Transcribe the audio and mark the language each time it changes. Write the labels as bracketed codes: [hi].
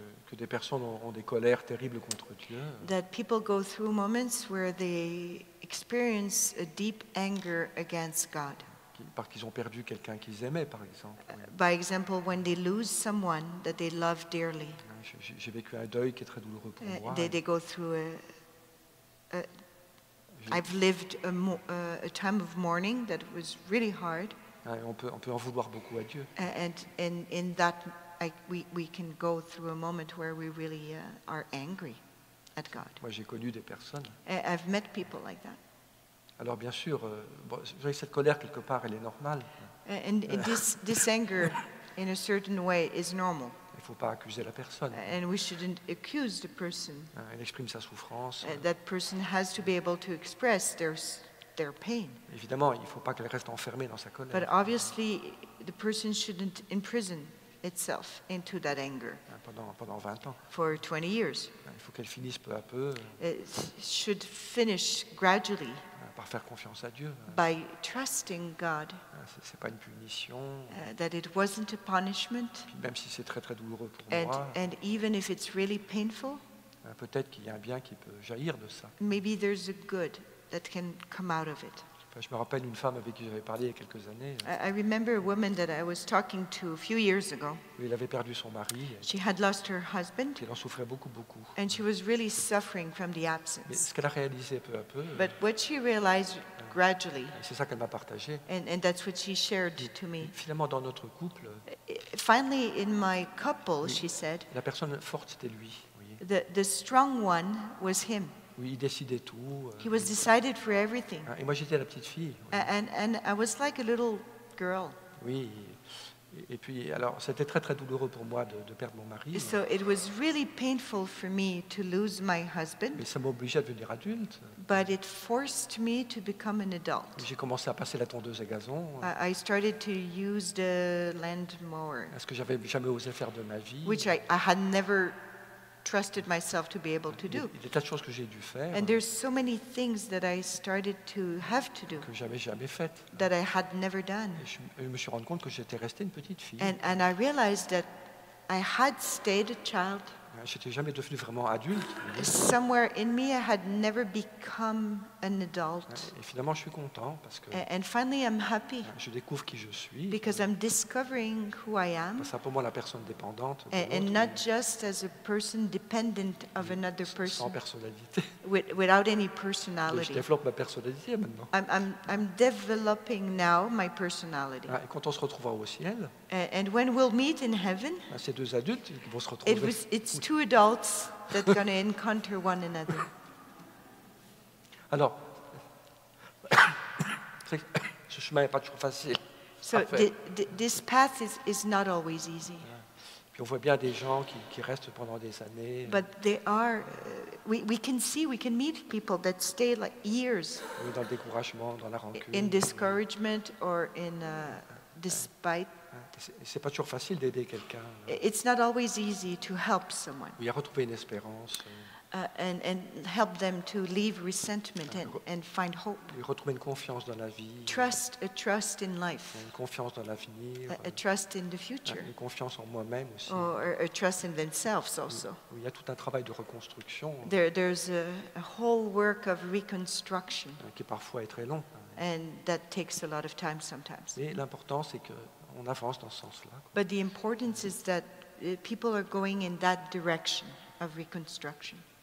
[fr] Que des personnes ont des colères terribles contre Dieu. [en] That people go through moments where they experience a deep anger against God. [fr] Parce qu'ils ont perdu quelqu'un qu'ils aimaient, par exemple. [en] By example, when they lose someone that they love dearly. [fr] J'ai vécu un deuil qui est très douloureux pour moi. [en] They go through I've lived a time of mourning that was really hard. [fr] On peut en vouloir beaucoup à Dieu. [en] And in that we can go through a moment where we really are angry at God. [fr] Moi, j'ai connu des personnes. [en] I've met people like that. [fr] Alors bien sûr, cette colère quelque part, elle est normale. [en] And this anger, in a certain way, is normal. [fr] Il ne faut pas accuser la personne. [en] And we shouldn't accuse the person. [fr] Elle exprime sa souffrance. [en] That person has to be able to express their pain. [fr] Évidemment, il ne faut pas qu'elle reste enfermée dans sa colère. [en] But obviously, the person shouldn't imprison itself into that anger [fr] pendant 20 ans. [en] For 20 years. [fr] Il faut qu'elle finisse peu à peu. [en] It should finish gradually. [fr] Par faire confiance à Dieu. [en] By trusting God. [fr] C'est pas une punition. [en] That it wasn't a punishment. [fr] Puis même si c'est très très douloureux pour [en] and, [fr] moi. [en] And even if it's really painful. [fr] Peut-être qu'il y a un bien qui peut jaillir de ça. [en] Maybe there's a good that can come out of it. [fr] Je me rappelle une femme avec qui j'avais parlé il y a quelques années. [en] I remember a woman that I was talking to a few years ago. [fr] Elle avait perdu son mari. [en] She had lost her husband. [fr] Elle en souffrait beaucoup, beaucoup. [en] And she was really suffering from the absence. [fr] Mais ce qu'elle a réalisé peu à peu. [en] But what she realized gradually. [fr] C'est ça qu'elle m'a partagé. [en] And that's what she shared to me. [fr] Finalement, dans notre couple. [en] Finally, in my couple, she said. [fr] La personne forte, c'était lui. [en] The strong one was him. [fr] Oui, il décidait tout. [en] He was decided for everything. [fr] Et moi, j'étais la petite fille. Oui. [en] And I was like a little girl. [fr] Oui. Et puis, alors, c'était très, très douloureux pour moi de perdre mon mari. [en] So it was really painful for me to lose my husband. [fr] Mais ça m'a obligé à devenir adulte. [en] But it forced me to become an adult. [fr] J'ai commencé à passer la tondeuse à gazon. [en] I started to use the lawnmower. [fr] Ce que j'avais jamais osé faire de ma vie. [en] Which I had never trusted myself to be able to do. [fr] Il y a des tas de choses que j'ai dû faire. [en] And there's so many things that I started to have to do. [fr] Que j'avais jamais fait. [en] That I had never done. [fr] Je me suis rendu compte que j'étais resté une petite fille. [en] And I realized that I had stayed a child. [fr] J'étais jamais devenu vraiment adulte. [en] Somewhere in me, I had never become an adult. [fr] Et finalement, je suis content parce que. [en] And finally, I'm happy. [fr] Je découvre qui je suis. [en] Because I'm discovering who I am. [fr] Parce que pour moi, la personne dépendante. [en] And not just as a person dependent of another person. [fr] Sans personnalité. [en] Without any personality. [fr] Et je développe ma personnalité maintenant. [en] I'm developing now my personality. [fr] Et quand on se retrouvera au ciel. [en] And when we'll meet in heaven. [fr] Ces deux adultes qui vont se retrouver. [en] It's two adults that are going to encounter one another. [fr] Alors, ce chemin n'est pas toujours facile. [en] So this path is not always easy. [fr] Puis on voit bien des gens qui restent pendant des années. [en] But they are, we can meet people that stay like years. [fr] Dans le découragement, dans la rancune. [en] In discouragement or in despite. [fr] C'est pas toujours facile d'aider quelqu'un. [en] It's not always easy to help someone. [fr] Oui, retrouver une espérance. [en] And help them to leave resentment and find hope. [fr] Et retrouver une confiance dans la vie. [en] A trust in life. [fr] Une confiance dans l'avenir. [en] A trust in the future. [fr] Une confiance en moi-même aussi. [en] Or a trust in themselves also. [fr] Il y a tout un travail de reconstruction. [en] There's a whole work of reconstruction. [fr] Qui parfois est très long. [en] And that takes a lot of time sometimes. [fr] Mais l'important c'est que on avance dans ce sens-là. [en] But the importance is that people are going in that direction of reconstruction.